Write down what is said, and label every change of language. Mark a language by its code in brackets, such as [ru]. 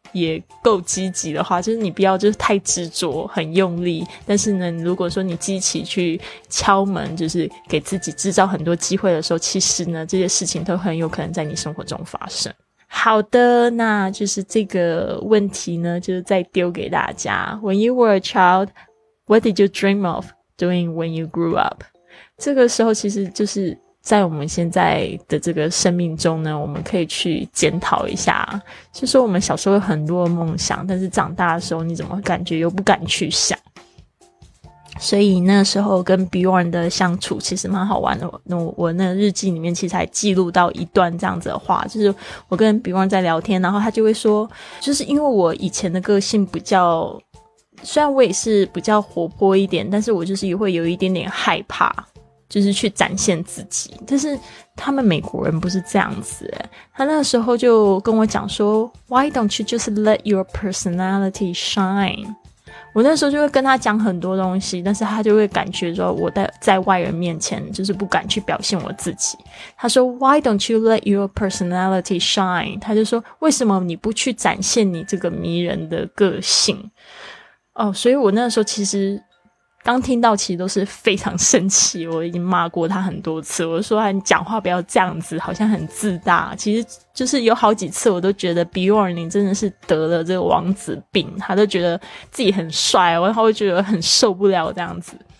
[zh] 也够积极的话，就是你不要就是太执着很用力，但是呢如果说你积极去敲门，就是给自己制造很多机会的时候，其实呢这些事情都很有可能在你生活中发生。好的，那就是这个问题呢就是再丢给大家。 [en] When you were a child, what did you dream of doing when you grew up? [zh] 这个时候其实就是在我们现在的这个生命中呢，我们可以去检讨一下，就说我们小时候有很多的梦想，但是长大的时候你怎么感觉又不敢去想。所以那时候跟 Bjorn 的相处其实蛮好玩的， 我那日记里面其实还记录到一段这样子的话，就是我跟 Bjorn 在聊天，然后他就会说，就是因为我以前的个性比较，虽然我也是比较活泼一点，但是我就是也会有一点点害怕就是去展现自己，但是他们美国人不是这样子。他那个时候就跟我讲说 [en] Why don't you just let your personality shine? [zh] 我那时候就会跟他讲很多东西，但是他就会感觉说我 在外人面前就是不敢去表现我自己。他说 [en] Why don't you let your personality shine? [zh] 他就说为什么你不去展现你这个迷人的个性。哦，所以我那时候其实刚听到其实都是非常生气，我已经骂过他很多次，我说你讲话不要这样子，好像很自大。其实就是有好几次我都觉得 Bjorn 你真的是得了这个王子病，他都觉得自己很帅，然后觉得很受不了这样子。